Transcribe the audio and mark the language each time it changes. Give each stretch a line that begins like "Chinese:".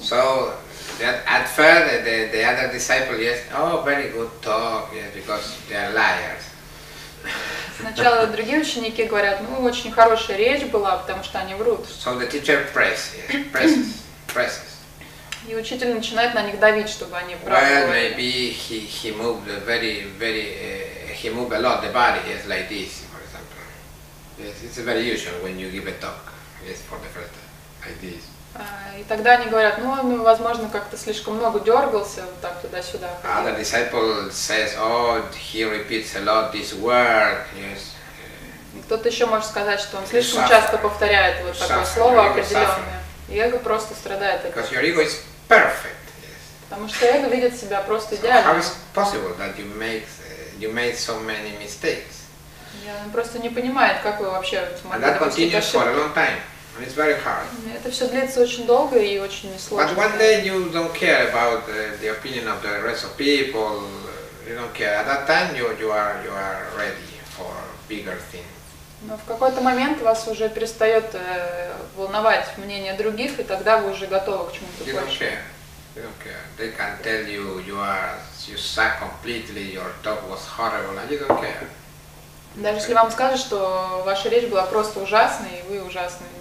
English: So, that at first the other disciple, yes, oh, very good talk, yes, because they are liars.
Russian: Сначала другие ученики говорят, ну, очень хорошая речь была, потому что они врут.
English: So the teacher presses.
Russian: И учитель начинает на них давить, чтобы они правы.
English: Well, maybe he moved very, he moved a lot the body, yes, like this, for example. Yes, it's very usual when you give a talk, yes, for the first time, like this.
Russian: И тогда они говорят, ну, он, возможно, как-то слишком много дергался вот так туда-сюда.
English: Other disciple says, oh, he repeats a lot this word, yes.
Russian: Кто-то еще может сказать, что он слишком часто повторяет вот такое слово определенное. И эго просто страдает.
English: Because your ego is perfect, yes.
Russian: Потому что эго видит себя просто идеально.
English: So how is possible that you made so many mistakes?
Russian: Он просто не понимает, как вы вообще смогли допустить ошибки.
English: And that continues for a long time. It's very hard.
Russian: Это все длится очень долго и очень несложно.
English: But one day you don't care about the opinion of the rest of people. You don't care. At that time you are ready for bigger things.
Russian: Но в какой-то момент вас уже перестает волновать мнение других, и тогда вы уже готовы к чему-то большему.
English: You don't care. You don't care. They can tell you you suck completely. Your talk was horrible. And you don't care.
Russian: Даже если вам скажут, что ваша речь была просто ужасной и вы ужасный.